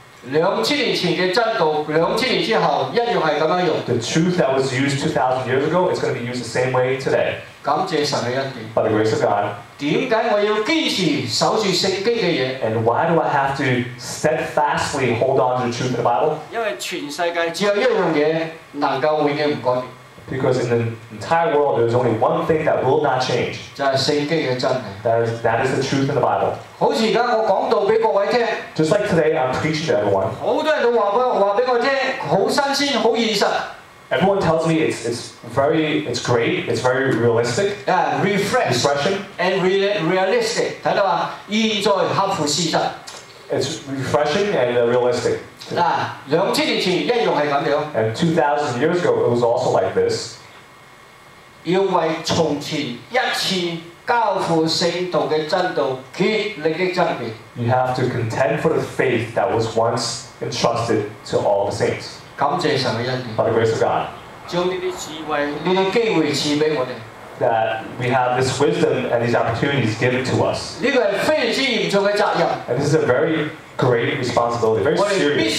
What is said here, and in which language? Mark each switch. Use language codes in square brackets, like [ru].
[yue] 兩千年前嘅真道，兩千年之後一樣係咁樣用。 [en] The truth that was used 2,000 years ago is going to be used the same way today。 [yue] 感謝神嘅恩典。 [en] By the grace of God。 [yue] 點解我要堅持守住聖經嘅嘢 [en] ？And why do I have to steadfastly hold on to the truth in the Bible？ [yue] 因為全世界只有一樣嘢能夠永遠唔改變。 [en] Because in the entire world, there is only one thing that will not change. [yue] 就係聖經嘅真理。 [en] That is the truth in the Bible. [yue] 好似而家我講道俾各位聽。 [en] Just like today, I'm preaching to everyone. [yue] 好多人都話俾我聽，好新鮮，好現實。 [en] Everyone tells me it's great, it's very realistic. Yeah, refresh. Refreshing. And realistic. [yue] 睇到嘛？現在合乎事實。 [en] It's refreshing and realistic. [yue] 兩千年前一樣係咁樣。 [en] And 2,000 years ago, it was also like this. [yue] 要為從前一次交付聖道嘅真道竭力嘅爭辯。 [en] You have to contend for the faith that was once entrusted to all the saints. [yue] 感謝神嘅恩典。 [en] By the grace of God. [yue] 將呢啲智慧、呢啲機會賜俾我哋。 [en] That we have this wisdom and these opportunities given to us. And this is a very great responsibility, very serious.